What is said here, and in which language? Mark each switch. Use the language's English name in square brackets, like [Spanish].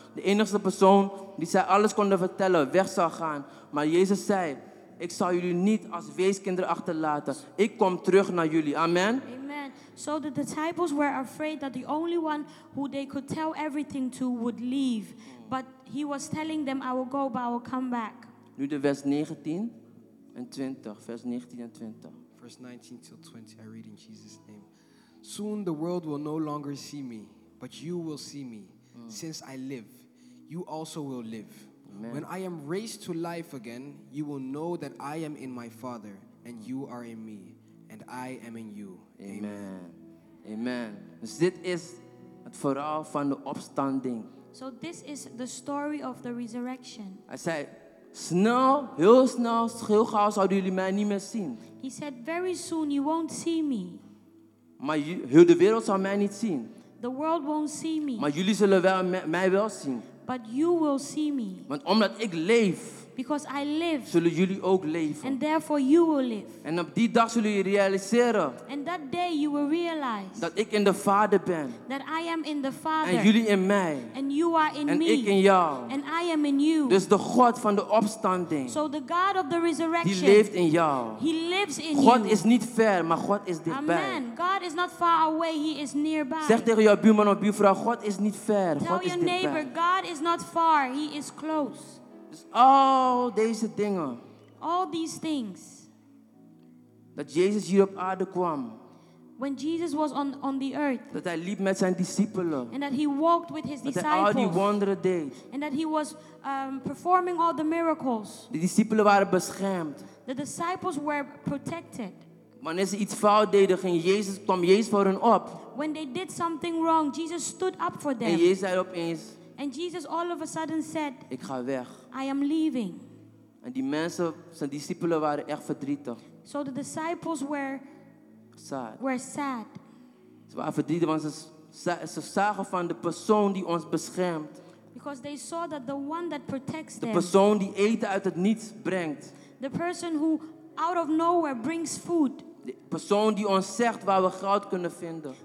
[Dutch] De enigste persoon die zij alles konden vertellen, weg zou gaan. Maar Jezus zei, ik zal jullie niet als weeskinderen achterlaten. Ik kom terug naar jullie. Amen. Amen. [English] So the disciples were afraid that the only one who they could tell everything to would leave. But he was telling them, I will go, but I will come back. [Dutch] Nu de vers 19 en 20. Vers 19 en 20. [English] Verse 19 till 20, I read in Jesus' name. Soon the world will no longer see me, but you will see me. Since I live, you also will live. Amen. When I am raised to life again, you will know that I am in my Father, and you are in me, and I am in you. Amen. Amen. Amen. [Dutch] Dus dit is het verhaal van de opstanding. [English] So this is the story of the resurrection. [Dutch] Hij zei, snel, heel snel, heel gauw zouden jullie mij niet meer zien. [English] He said, very soon you won't see me. [Dutch] Maar heel de wereld zal mij niet zien. [English] The world won't see me. [Dutch] Maar jullie zullen mij wel zien. [English] But you will see me. [Dutch] Want omdat ik leef, [English] because I live, [Dutch] zullen jullie ook leven. [English] And therefore you will live. [Dutch] En op die dag zullen jullie realiseren. [English] And that day you will realize [Dutch] dat ik in de Vader ben. [English] That I am in the Father. [Dutch] En jullie in mij. [English] And you are in [Dutch] en [English] me. [Dutch] En ik in jou. [English] And I am in you. [Dutch] Dus de God van de opstanding. [English] So the God of the resurrection. [Dutch] Die leeft in jou. [English] He lives in God you. [Dutch] God is niet ver, maar God is dichtbij. Amen. [English] God is not far away, he is nearby. [Dutch] Zeg tegen jouw buurman of buurvrouw, God is niet ver. [English] Tell God is your neighbor, [Dutch] dichtbij. [English] God is not far, he is close. [Dutch] Dus al deze dingen. [English] All these things. [Dutch] Dat Jezus hier op aarde kwam. [English] When Jesus was on the earth. [Dutch] Dat hij liep met zijn discipelen. [English] And that he walked with his [Dutch] dat Dat hij al die wonderen deed. [English] And that he was performing all the miracles. [Dutch] De discipelen waren beschermd. [English] The disciples were protected. [Dutch] Wanneer ze iets fout deden, kwam Jezus voor hen op. [English] When they did something wrong, Jesus stood up for them. [Dutch] En Jezus zei opeens. [English] And Jesus all of a sudden said, [Dutch] ik ga weg. [English] I am leaving. [Dutch] En die mensen, zijn discipelen waren echt verdrietig. [English] So the disciples were sad. [Dutch] Ze waren verdrietig, want ze zagen van de persoon die ons beschermt. [English] Because they saw that the one that protects them. [Dutch] De persoon die eten uit het niets brengt. [English] The person who out of nowhere brings food. [Dutch] De persoon die ons zegt waar we goud kunnen vinden.